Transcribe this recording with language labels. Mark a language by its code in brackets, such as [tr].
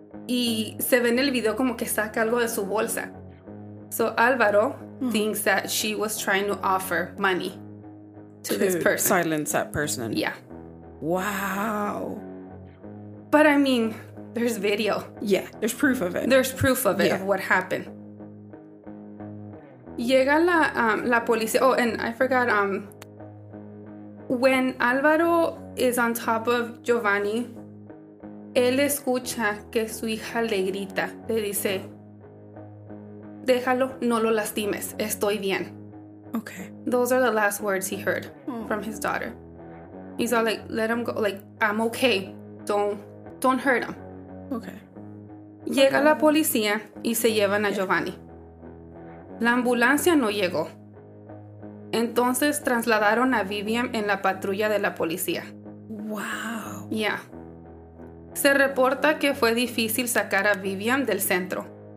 [es] Y se ve en el video como que saca algo de su bolsa. [en] So Alvaro thinks that she was trying to offer money to this person. Silence that person. Yeah. Wow. But I mean, there's video. Yeah, there's proof of it. There's proof of it, yeah. of what happened. [es] Llega la, la policía. [en] Oh, and I forgot. When Alvaro is on top of Giovanni, [es] él escucha que su hija le grita, le dice, déjalo, no lo lastimes, estoy bien. [en] Okay. Those are the last words he heard from his daughter. He's all like, let him go, like, I'm okay, don't hurt him. Okay. [es] Llega la policía y se llevan a Giovanni. La ambulancia no llegó. Entonces trasladaron a Viviam en la patrulla de la policía. [en] Wow. Yeah. [es] Se reporta que fue difícil sacar a Viviam del centro.